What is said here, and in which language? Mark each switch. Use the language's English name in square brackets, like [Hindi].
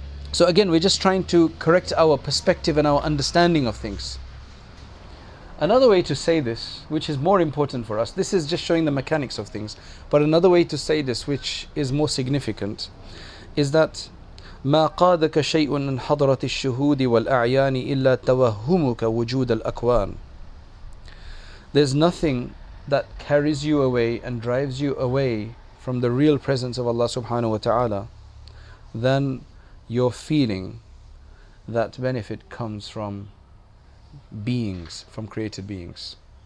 [English] So again, we're just trying to correct our perspective and our understanding of things. Another way to say this, which is more important for us, this is just showing the mechanics of things, but another way to say this, which is more significant, is that [Arabic] ما قادك شيء من حضرة الشهود والأعيان إلا توهمك وجود الأكوان. [English] There's nothing that carries you away and drives you away from the real presence of Allah subhanahu wa ta'ala than your feeling that benefit comes from beings, from created beings.